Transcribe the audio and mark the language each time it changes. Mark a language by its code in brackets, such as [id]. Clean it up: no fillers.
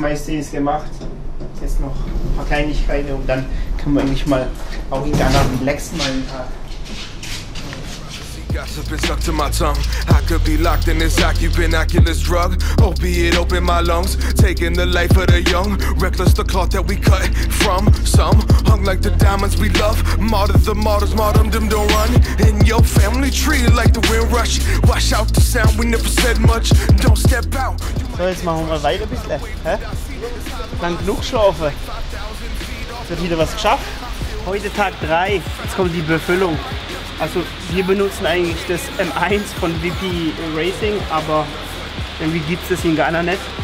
[de] Ist gemacht. Jetzt noch ein paar Kleinigkeiten und dann können wir eigentlich mal auch in Ghana relaxen mal einen Tag. [en] Gossip is stuck to my tongue. I could be locked in this occupant drug. Opiate open my lungs. Taking the life of the young. Reckless the cloth that we cut from. Some hung like the diamonds we love. Martyrs the martyrs, martyrdom don't run. In your family tree like the wind rush. Wash out the sound, we never said much. Don't step out. [de] So, jetzt machen wir weiter ein bisschen. Hä? Lang genug geschlafen. Jetzt wird wieder was geschafft. Heute Tag 3. Jetzt kommt die Befüllung. Also wir benutzen eigentlich das M1 von VP Racing, aber irgendwie gibt es das in Ghana nicht.